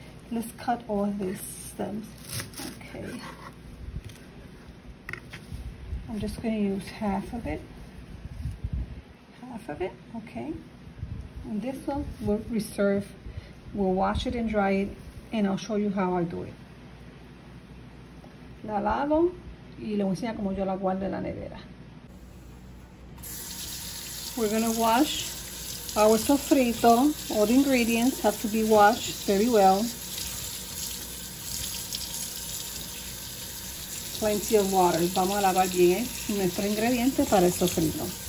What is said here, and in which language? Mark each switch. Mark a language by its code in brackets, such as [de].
[en] Let's cut all these stems. Okay. I'm just gonna use half of it. Half of it, okay. And this one, we'll reserve. We'll wash it and dry it, and I'll show you how I do it. [es] La lavo. Y le enseña como yo la guardo en la nevera. [en] We're gonna wash our sofrito. All the ingredients have to be washed very well. Plenty of water. [es] Vamos a lavar bien nuestros ingredientes para el sofrito.